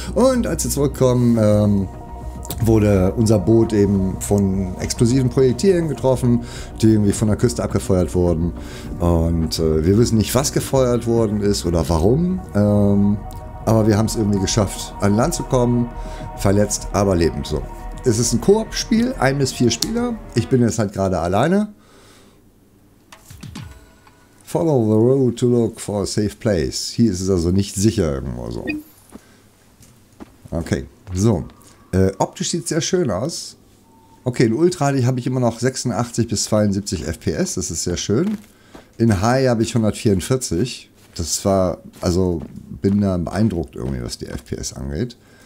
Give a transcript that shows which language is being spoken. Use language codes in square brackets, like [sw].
[de] Und als sie zurückkommen, wurde unser Boot eben von explosiven Projektilen getroffen, die irgendwie von der Küste abgefeuert wurden. Und wir wissen nicht, was gefeuert worden ist oder warum. Aber wir haben es irgendwie geschafft, an Land zu kommen, verletzt, aber lebend so. Es ist ein Koop-Spiel, 1 bis 4 Spieler. Ich bin jetzt halt gerade alleine. [en] Follow the road to look for a safe place. [de] Hier ist es also nicht sicher irgendwo so. Okay, so. Optisch sieht es sehr schön aus. Okay, in Ultra habe ich immer noch 86 bis 72 FPS, das ist sehr schön. In High habe ich 144. Das war, also bin da beeindruckt irgendwie, was die FPS angeht.